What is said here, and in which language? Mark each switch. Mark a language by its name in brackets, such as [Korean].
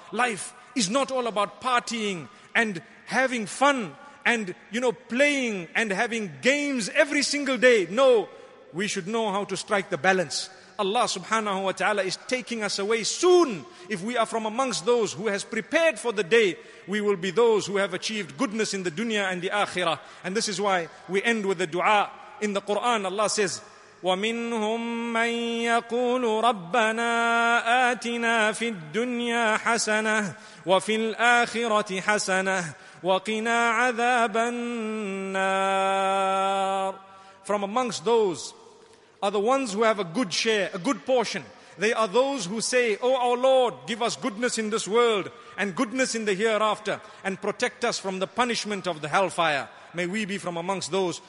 [English] Life is not all about partying and having fun and, you know, playing and having games every single day. No, we should know how to strike the balance. Allah [Arabic] subhanahu wa ta'ala [English] is taking us away soon. If we are from amongst those who has prepared for the day, we will be those who have achieved goodness in the dunya and the akhirah. And this is why we end with the dua. In the Quran, Allah says, [Arabic] وَمِنْهُمْ مَنْ يَقُولُ رَبَّنَا آتِنَا فِي الدُّنْيَا حَسَنَةً وَفِي الْآخِرَةِ حَسَنَةً وَقِنَا عَذَابَ النَّارِ. [English] From amongst those are the ones who have a good share, a good portion. They are those who say, O our Lord, give us goodness in this world and goodness in the hereafter and protect us from the punishment of the hellfire. May we be from amongst those.